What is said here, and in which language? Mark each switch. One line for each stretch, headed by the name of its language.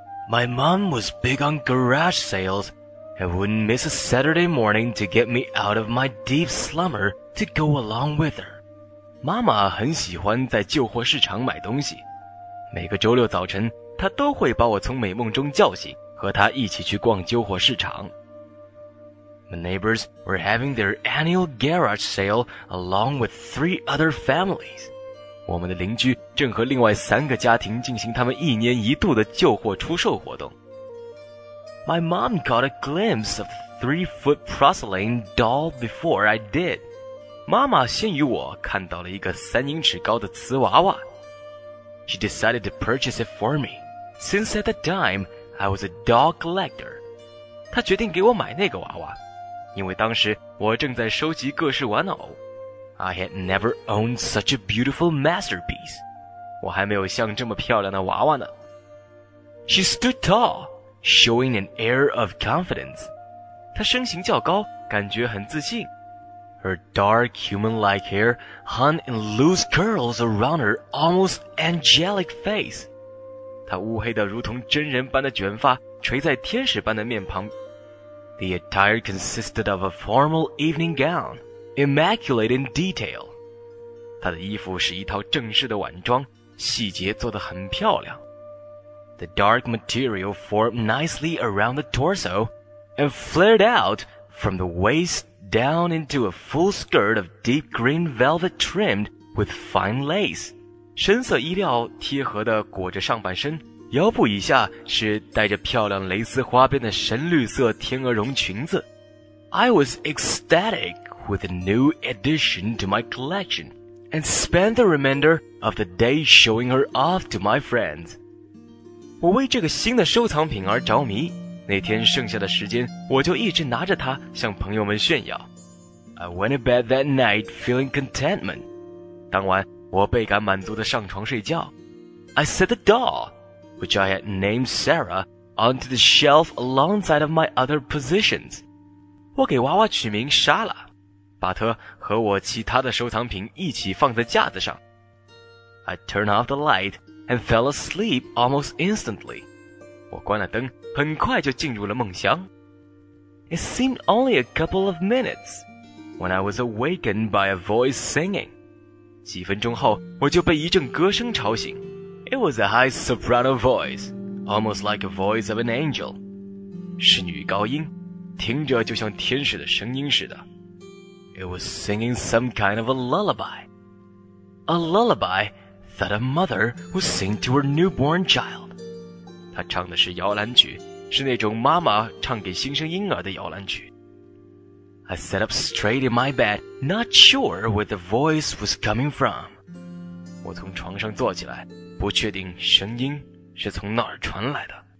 English: My mom was big on garage sales and wouldn't miss a Saturday morning to get me out of my deep slumber to go along with her.
Chinese: 妈妈很喜欢在旧货市场买东西。每个周六早晨，她都会把我从美梦中叫醒，和她一起去逛旧货市场。
English: My neighbors were having their annual garage sale along with three other families.
Chinese: 我们的邻居正和另外三个家庭进行他们一年一度的旧货出售活动。
English: My mom caught a glimpse of 3-foot porcelain doll before I did.
Chinese: 妈妈先于我看到了一个3英尺高的瓷娃娃。
English: She decided to purchase it for me. Since at the time, I was a doll collector.
Chinese: 她决定给我买那个娃娃。因为当时我正在收集各式玩偶。
English: I had never owned such a beautiful masterpiece.
Chinese: 我还没有像这么漂亮的娃娃呢。
English: She stood tall, showing an air of confidence.
Chinese: 她身形较高，感觉很自信。
English: Her dark human-like hair hung in loose curls around her almost angelic face.
Chinese: 她乌黑的如同真人般的卷发垂在天使般的面庞。
English: The attire consisted of a formal evening gown, immaculate in detail.
Chinese: 她的衣服是一套正式的晚装，细节做得很漂亮。
English: The dark material formed nicely around the torso and flared out from the waist down into a full skirt of deep green velvet trimmed with fine lace.
Chinese: 深色衣料贴合地裹着上半身，腰部以下是带着漂亮蕾丝花边的深绿色天鹅绒裙子。
English: I was ecstatic with a new addition to my collection and spent the remainder of the day showing her off to my friends.
Chinese: 我为这个新的收藏品而着迷，那天剩下的时间我就一直拿着它向朋友们炫耀。
English: I went to bed that night feeling contentment.
Chinese: 当晚我倍感满足地上床睡觉。
English: I set the doll, which I had named Sarah, onto the shelf alongside of my other possessions.
Chinese: 我给娃娃取名莎拉，把它和我其他的收藏品一起放在架子上。
English: I turned off the light,and fell asleep almost instantly.
Chinese: 我关了灯，很快就进入了梦乡。
English: It seemed only a couple of minutes when I was awakened by a voice singing.
Chinese: 几分钟后，我就被一阵歌声吵醒。
English: It was a high soprano voice, almost like a voice of an angel.
Chinese: 是女高音，听着就像天使的声音似的。
English: It was singing some kind of a lullaby. A lullaby,that a mother would sing to her newborn child.
Chinese: 她唱的是摇篮曲，是那种妈妈唱给新生婴儿的摇篮曲。
English: I sat up straight in my bed, not sure where the voice was coming from.
Chinese: 我从床上坐起来，不确定声音是从哪儿传来的。